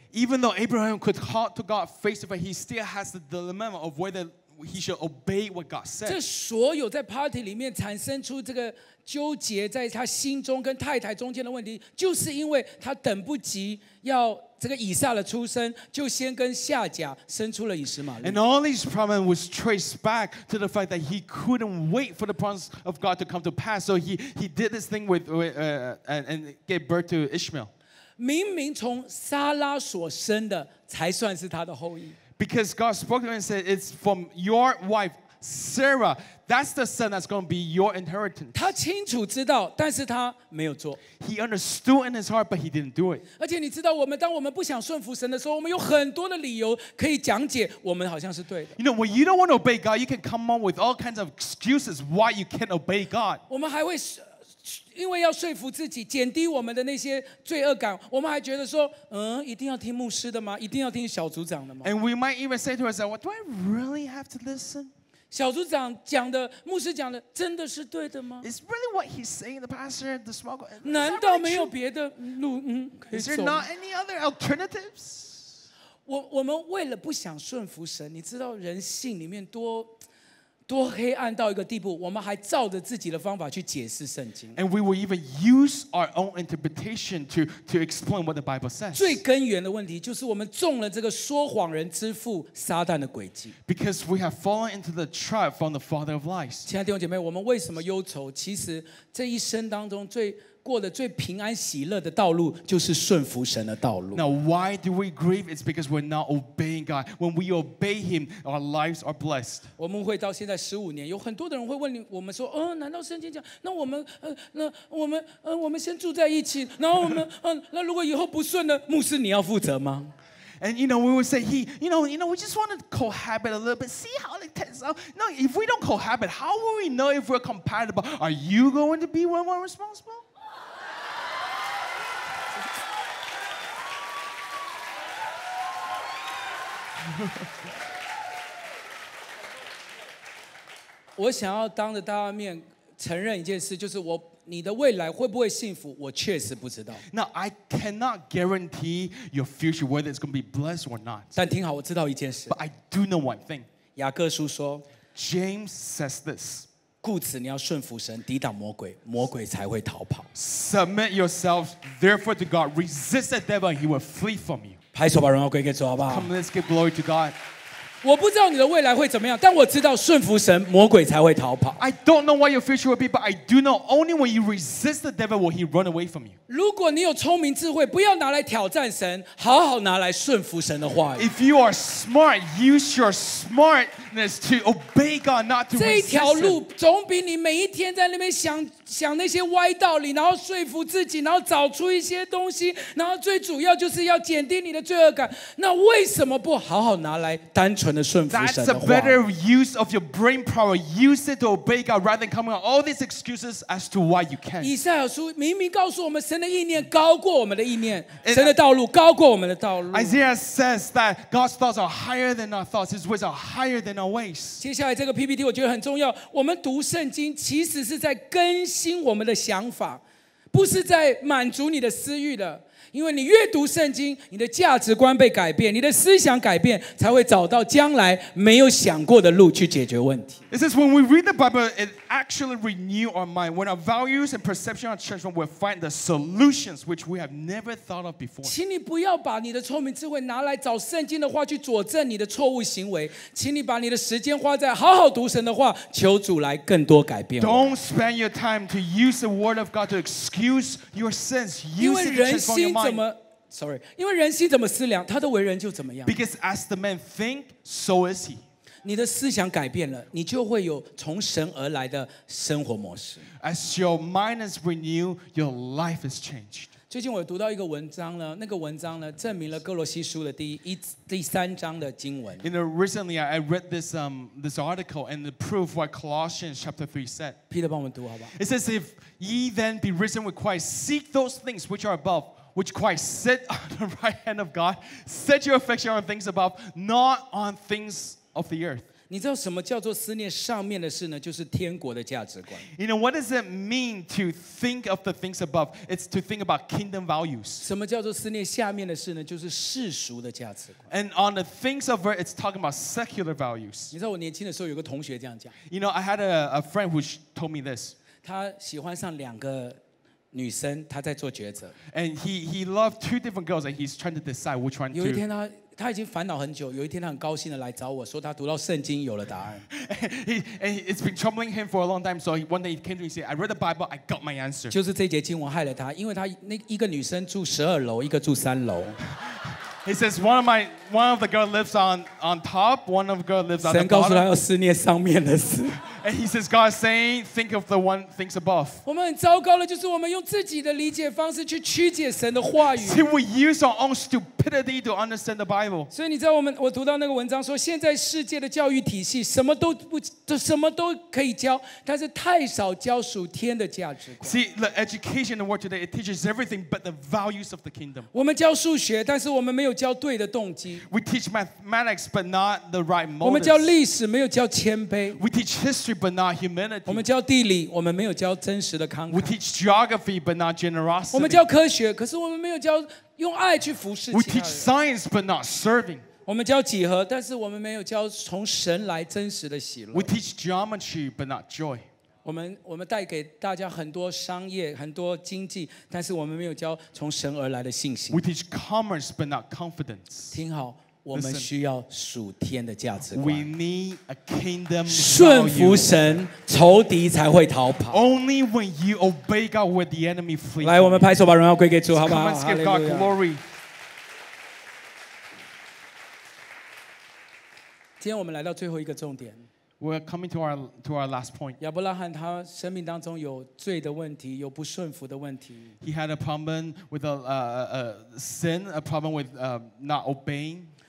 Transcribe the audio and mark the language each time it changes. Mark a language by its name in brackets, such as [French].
[English] ？Even though Abraham could talk to God face to face, he still has the dilemma of whether he shall obey what God said. [Chinese] 这所有在 party 里面产生出这个纠结在他心中跟太太中间的问题，就是因为他等不及要这个以撒的出生，就先跟夏甲生出了以实玛利。 [English] And all these problems was traced back to the fact that he couldn't wait for the promise of God to come to pass. So he did this thing with and gave birth to Ishmael. [Chinese] 明明从撒拉所生的才算是他的后裔。 [English] Because God spoke to him and said, "It's from your wife Sarah. That's the son that's going to be your inheritance." [Chinese] 他清楚知道，但是他没有做。 [English] He understood in his heart, but he didn't do it. [Chinese] 而且你知道，我们当我们不想顺服神的时候，我们有很多的理由可以讲解我们好像是对的。 [English] You know, when you don't want to obey God, you can come up with all kinds of excuses why you can't obey God. [Chinese] 我们还会因为要说服自己，减低我们的那些罪恶感，我们还觉得说，嗯，一定要听牧师的吗？一定要听小组长的吗 [English] ？And we might even say to ourselves, "Do I really have to listen?" [Chinese] 小组长讲的，牧师讲的，真的是对的吗 [English] ？Is really what he's saying, the pastor, the small group? [Chinese] 难道没有别的路？嗯 [English] ，Is there not any other alternatives? [Chinese] 我们为了不想顺服神，你知道人性里面多黑暗到一个地步，我们还照着自己的方法去解释圣经。 [English] And we will even use our own interpretation to explain what the Bible says. [Chinese] 最根源的问题就是我们中了这个说谎人之父撒旦的诡计。 [English] Because we have fallen into the trap from the father of lies. [Chinese] 亲爱的弟兄姐妹，我们为什么忧愁？其实这一生当中最过的最平安喜乐的道路就是顺服神的道路。 [English] Now why do we grieve? It's because we're not obeying God. When we obey Him, our lives are blessed. [Chinese] 我们会到现在十五年，有很多的人会问我们说：“难道圣经讲，那我们先住在一起，然后我们那如果以后不顺呢？牧师你要负责吗？” [English] And you know, we would say, "You know, we just want to cohabit a little bit, see how it turns out." No, if we don't cohabit, how will we know if we're compatible? Are you going to be one responsible? [Chinese] 我想要当着大家面承认一件事，就是我你的未来会不会幸福，我确实不知道。 [English] Now I cannot guarantee your future whether it's going to be blessed or not. [Chinese] 但听好，我知道一件事。 [English] But I do know one thing. [Chinese] 雅各书说 [English] ，James says this. [Chinese] 故此你要顺服神，抵挡魔鬼，魔鬼才会逃跑。 [English] Submit yourselves therefore to God. Resist the devil, he will flee from you. [Chinese] 拍手把荣耀归给主，好不好 [English] ？Come, let's give glory to God. [Chinese] 我不知道你的未来会怎么样，但我知道顺服神，魔鬼才会逃跑。 [English] I don't know what your future will be, but I do know only when you resist the devil will he run away from you. [Chinese] 如果你有聪明智慧，不要拿来挑战神，好好拿来顺服神的话语。 [English] If you are smart, use your smartness to obey God, not to resist. [Chinese] 这一条路总比你每一天在那边想。想那些歪道理，然后说服自己，然后找出一些东西，然后最主要就是要减低你的罪恶感。那为什么不好好拿来单纯的顺服神的话 [English] ？That's a better use of your brain power. Use it to obey God rather than coming up all these excuses as to why you can't. [Chinese] 以赛亚书明明告诉我们，神的意念高过我们的意念，神的道路高过我们的道路。 [English] Isaiah says that God's thoughts are higher than our thoughts. His ways are higher than our ways. [Chinese] 接下来这个 PPT 我觉得很重要。我们读圣经其实是在跟新我们的想法，不是在满足你的私欲的。因为你阅读圣经，你的价值观被改变，你的思想改变，才会找到将来没有想过的路去解决问题。 [English] It says when we read the Bible, it actually renews our mind. When our values and perception are changed, we'll find the solutions which we have never thought of before. [Chinese] 请你不要把你的聪明智慧拿来找圣经的话去佐证你的错误行为，请你把你的时间花在好好读神的话，求主来更多改变。 [English] Don't spend your time to use the Word of God to excuse your sins. Use it to transform your mind. [Chinese] 因为人心怎么思量，他的为人就怎么样。 [English] Because as the man think, so is he. [Chinese] 你的思想改变了，你就会有从神而来的生活模式。 [English] As your mind is renewed, your life is changed. [Chinese] 最近我读到一个文章呢，那个文章呢，证明了哥罗西书的第三章的经文。 [English] You know, recently I read this article and the proof what Colossians chapter 3 said. [Chinese] Peter, 帮我们读好不好 [English] ？It says, "If ye then be risen with Christ, seek those things which are above." Which Christ sit on the right hand of God, set your affection on things above, not on things of the earth. [Chinese] 你知道什么叫做思念上面的事呢？就是天国的价值观。 [English] You know what does it mean to think of the things above? It's to think about kingdom values. [Chinese] 什么叫做思念下面的事呢？就是世俗的价值观。 [English] And on the things of earth, it's talking about secular values. [Chinese] 你知道我年轻的时候有个同学这样讲。 [English] You know, I had a friend who told me this. [Chinese] 他喜欢上两个女生，他在做抉择。 [English] And he loved two different girls, and he's trying to decide which one to. [Chinese] 有一天他已经烦恼很久，有一天他很高兴的来找我说他读到圣经有了答案。 [English] And it's been troubling him for a long time, so one day he came to me and said, I read the Bible, I got my answer. [Chinese] 就是这节经文害了他，因为他那一个女生住十二楼，一个住三楼。 [English] He says, one of the girls lives on top, one of the girls lives on the bottom. [Chinese] 神告诉他要思念上面的事。 [English] And he says, God is saying, think of the one things above. [Chinese] 我们很糟糕的就是我们用自己的理解方式去曲解神的话语。 [English] See, we use our own stupidity to understand the Bible. [Chinese] 所以你知道我读到那个文章说，现在世界的教育体系什么都可以教，但是太少教属天的价值观。 [English] See, the education in the world today, it teaches everything but the values of the kingdom. [Chinese] 我们教数学，但是我们没有教对的动机。 [English] We teach mathematics but not the right motives. [Chinese] 我们教历史，没有教谦卑。 [English] We teach history. But not humanity. [Chinese] 我们教地理，我们没有教真实的慷慨。 [English] We teach geography, but not generosity. [Chinese] 我们教科学，可是我们没有教用爱去服侍其他人。 [English] We teach science, but not serving. [Chinese] 我们教几何，但是我们没有教从神来真实的喜乐。 [English] We teach geometry, but not joy. [Chinese] 我们带给大家很多商业，很多经济，但是我们没有教从神而来的信心。 [English] We teach commerce, but not confidence. [Chinese] 听好。我们需要属天的价值观。 [English] We need a kingdom value. [Chinese] 顺服神，仇敌才会逃跑。 [English] Only when you obey God will the enemy flee. [Chinese] 来，我们拍手把荣耀归给主，好不好？ [English] Come and give God glory. [Chinese] 今天我们来到最后一个重点。 [English] We're coming to our last point. [Chinese] 亚伯拉罕他生命当中有罪的问题，有不顺服的问题。 [English] He had a problem with a sin, a problem with not obeying.